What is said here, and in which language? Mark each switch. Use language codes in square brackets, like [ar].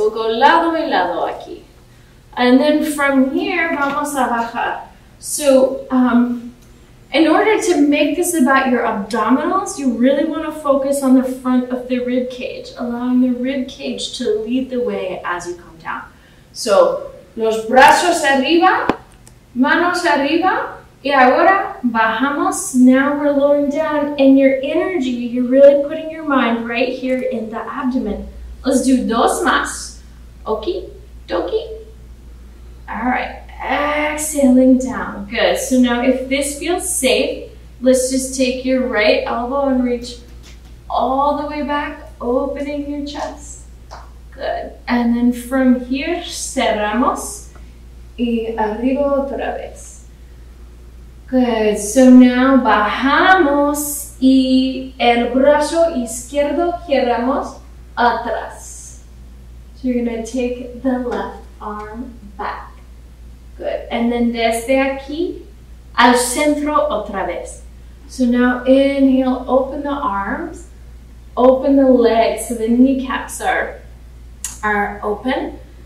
[en] So we'll go [es] lado y lado aquí. [en] And then from here, [es] vamos a bajar. [en] So in order to make this about your abdominals, you really want to focus on the front of the rib cage, allowing the rib cage to lead the way as you come down. [es] So los brazos arriba, manos arriba, y ahora bajamos. [en] Now we're lowering down, and your energy, you're really putting your mind right here in the abdomen. Let's do [es] dos más. [en] Okie dokie. All right. Exhaling down. Good. So now if this feels safe, let's just take your right elbow and reach all the way back, opening your chest. Good. And then from here, [es] cerramos y arriba otra vez. [en] Good. [es] So now bajamos y el brazo izquierdo cerramos atrás. [en] So you're going to take the left arm back. Good, and then [es] desde aquí, al centro otra vez. [en] So now inhale, open the arms, open the legs, so the kneecaps are open.